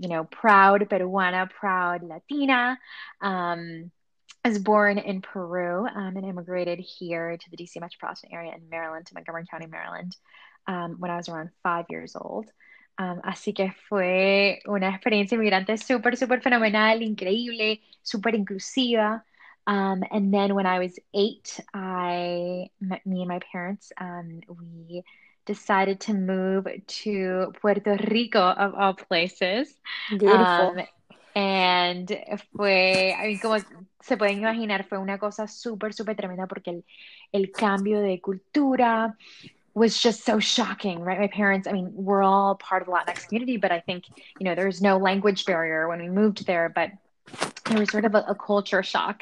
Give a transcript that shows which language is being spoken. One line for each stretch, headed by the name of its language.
English: Proud Peruana, proud Latina. I was born in Peru and immigrated here to the DC metropolitan area in Maryland, to Montgomery County, Maryland, when I was around 5 years old.
Spanish: Así que fue una experiencia inmigrante súper, súper fenomenal, increíble, súper inclusiva.
English: And then when I was 8, me and my parents, we decided to move to Puerto Rico, of all places. Beautiful. And
Spanish: fue, como se pueden imaginar, fue una cosa súper, súper tremenda, porque el cambio de cultura
English: was just so shocking, right? My parents, we're all part of the Latinx community, but I think, there was no language barrier when we moved there, but there was sort of a culture shock.